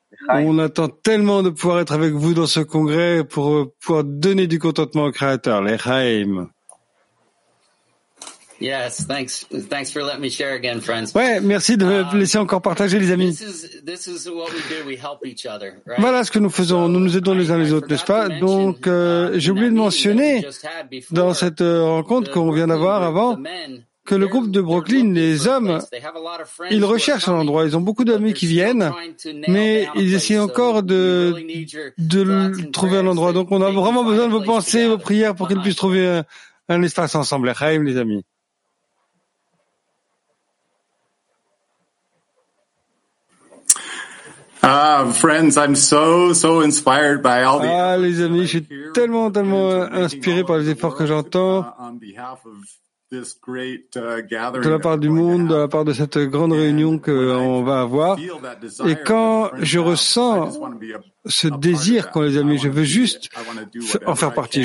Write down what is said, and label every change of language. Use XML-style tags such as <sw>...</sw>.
<fr>On attend tellement de pouvoir être avec vous dans ce congrès pour pouvoir donner du contentement au Créateur, l'Echaïm.</fr> <en>Yes, thanks for letting me share again, friends.</en> <fr>Ouais, merci de me laisser encore partager, les amis.</fr> <en>This is what we do, we help each other, right?</en> <fr>Voilà ce que nous faisons, nous nous aidons les uns les autres, n'est-ce pas? Donc, j'ai oublié de mentionner dans cette rencontre qu'on vient d'avoir avant, que le groupe de Brooklyn, les hommes, ils recherchent un endroit, ils ont beaucoup d'amis qui viennent, mais ils essayent encore de trouver un endroit. Donc on a vraiment besoin de vos pensées, vos prières pour qu'ils puissent trouver un espace ensemble. Chaim, les amis.</fr> <en>Ah, friends, I'm so inspired by all the...</en> <fr>Ah, les amis, je suis tellement inspiré par les efforts que j'entends.</fr> <en>this great gathering</en> <fr>de la part du monde, de la part de cette grande réunion qu'on va avoir. Et quand je ressens ce désir qu'ont les amis, je veux juste en faire partie.</fr>